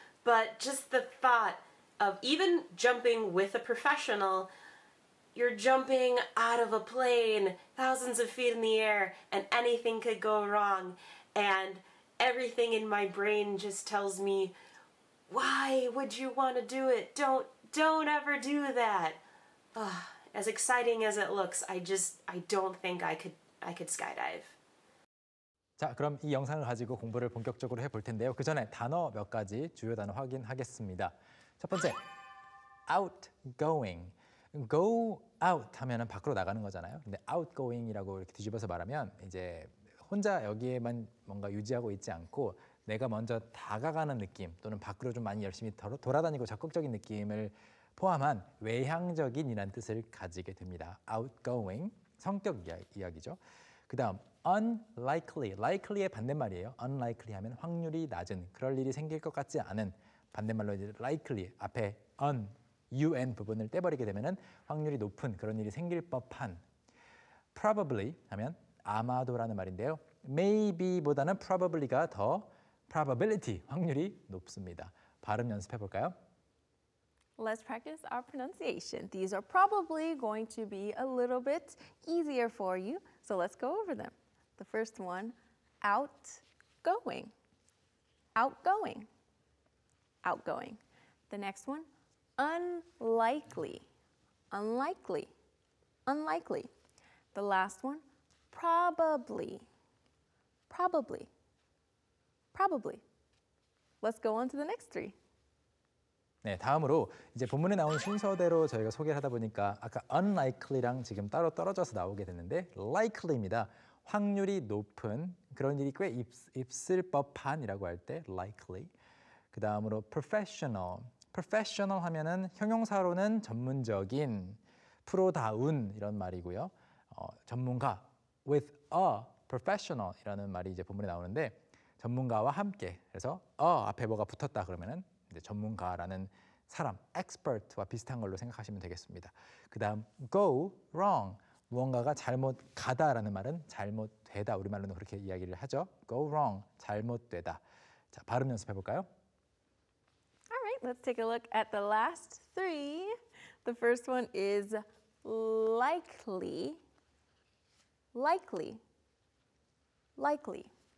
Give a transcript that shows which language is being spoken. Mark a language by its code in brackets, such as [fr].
[en] But just the thought of even jumping with a professional, you're jumping out of a plane, thousands of feet in the air, and anything could go wrong. And everything in my brain just tells me, why would you want to do it? Don't ever do that. Ugh, as exciting as it looks, I don't think I could skydive. [ko] 자, 그럼 이 영상을 가지고 공부를 본격적으로 해볼 텐데요. 그 전에 단어 몇 가지 주요 단어 확인하겠습니다. 첫 번째, outgoing. Go out 하면은 밖으로 나가는 거잖아요. 근데 outgoing이라고 이렇게 뒤집어서 말하면 이제 혼자 여기에만 뭔가 유지하고 있지 않고 내가 먼저 다가가는 느낌 또는 밖으로 좀 많이 열심히 돌아다니고 적극적인 느낌을 포함한 외향적인이란 뜻을 가지게 됩니다. Outgoing, 성격 이야기죠. 그 다음, unlikely. Likely의 반대말이에요. Unlikely 하면 확률이 낮은, 그럴 일이 생길 것 같지 않은. 반대말로 이제 likely, 앞에 un, un 부분을 떼버리게 되면 확률이 높은, 그런 일이 생길 법한. Probably 하면 아마도라는 말인데요. Maybe보다는 probably가 더 probability, 확률이 높습니다. 발음 연습해볼까요? [en] Let's practice our pronunciation. These are probably going to be a little bit easier for you. So let's go over them. The first one, outgoing. Outgoing. Outgoing. The next one, unlikely. Unlikely. Unlikely. The last one, probably. Probably. Probably. Let's go on to the next three. [ko] 네, 다음으로 이제 본문에 나온 순서대로 저희가 소개를 하다 보니까 아까 unlikely랑 지금 따로 떨어져서 나오게 됐는데 likely입니다. 확률이 높은, 그런 일이 꽤 있을 법한이라고 할 때 likely. 그 다음으로 professional. professional 하면은 형용사로는 전문적인, 프로다운 이런 말이고요. 전문가, with a professional이라는 말이 이제 본문에 나오는데 전문가와 함께, 그래서 a 앞에 뭐가 붙었다 그러면은 전문가라는 사람, expert와 비슷한 걸로 생각하시면 되겠습니다. 그 다음, go wrong. 무언가가 잘못 가다라는 말은 잘못되다. 우리말로는 그렇게 이야기를 하죠. go wrong, 잘못되다. 자, 발음 연습해볼까요? [en] Alright, let's take a look at the last three. The first one is likely. Likely. Likely.